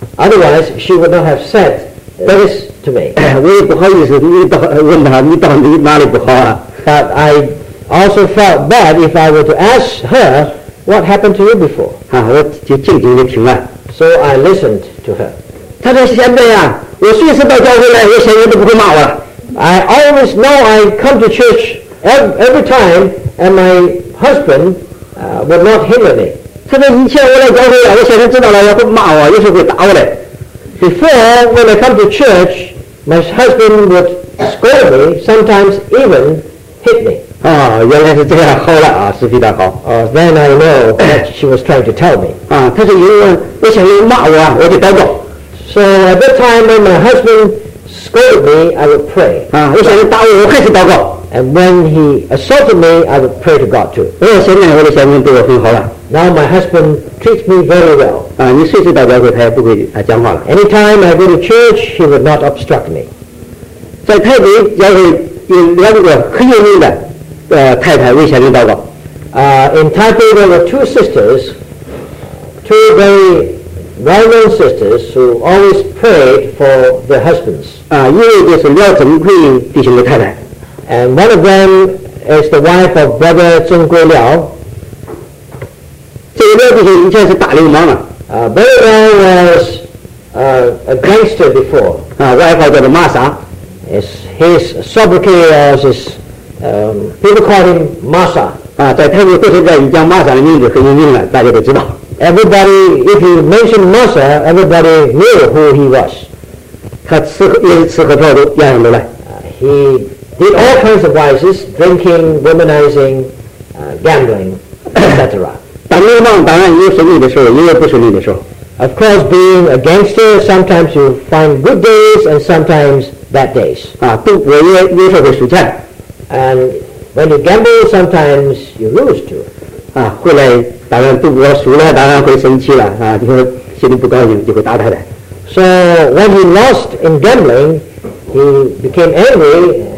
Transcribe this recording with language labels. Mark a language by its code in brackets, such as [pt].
[en] Otherwise she would not have said this to me [zh] 我也不好意思问她你到底哪里不好啊 [en] But I also felt bad if I were to ask her What happened to you before? [zh] 我就静静地听了。 [en] So I listened to her. [zh] 她说：“现在呀，我随时到教会来，我先生都不骂我了。” [en] I always know I come to church every time, and my husband would not hinder me. [zh] 她说：“以前我来教会，我先生知道了，他会骂我，有时候会打我嘞。” [en] Before when I come to church, my husband would scold me, sometimes even hit me. [zh] 原来是这样，好了啊，是非常好。 [en] Then I know that she was trying to tell me. [zh] 她说因为我想要骂我啊，我就祷告。 [en] So at that time when my husband scolded me, I would pray. [zh] 我想要打我，我开始祷告。 [en] And when he assaulted me, I would pray to God too. [zh] 现在我的先生对我很好了。 [en] Now my husband treats me very well. [zh] 你随时祷告时，他也不会讲话了。 [en] Anytime I go to church, he would not obstruct me. [zh] 在台北，有两个很有名的。太太为先生祷告 [en] In Taipei there were two sisters two very well-known sisters who always prayed for their husbands [zh] 一位就是廖正贵弟兄的太太 [en] And one of them is the wife of brother 正贵廖 [zh] 这个廖弟兄以前是大流氓啊 [en] Brother Liao was a gangster before [zh] 外号叫做玛莎 [en] His sobriquet was his people call him Masa [zh] 在台湾都是在讲Masa的名字很有名了大家都知道 [en] Everybody if you mention Masa everybody knew who he was [zh] 他吃喝嫖赌样样都来 [en] He did all kinds of vices drinking womanizing gambling etc [zh] 当流氓当然有顺利的时候也有不顺利的时候 [en] Of course being a gangster sometimes you find good days and sometimes bad days [zh] 赌博也有时候会输钱 [en] And when you gamble, sometimes you lose too. [zh] 后来当然赌博输了，当然会生气了啊！就是心里不高兴就会打太太。 [en] So when he lost in gambling, he became angry.